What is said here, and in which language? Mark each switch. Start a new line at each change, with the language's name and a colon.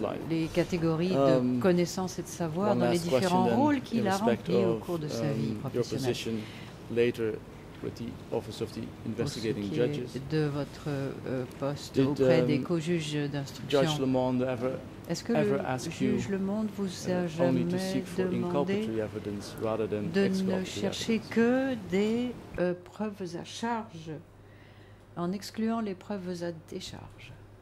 French: les catégories de connaissances et de savoir dans les différents rôles qu'il a remplis au cours de sa vie professionnelle.
English: Your position later with the office of the investigating judges.
French: De votre poste Did, auprès des co-juges d'instruction.
English: Judge Le Monde ever
French: Est-ce que le juge Le Monde vous a jamais demandé de ne chercher que des preuves à charge, en excluant les preuves à décharge?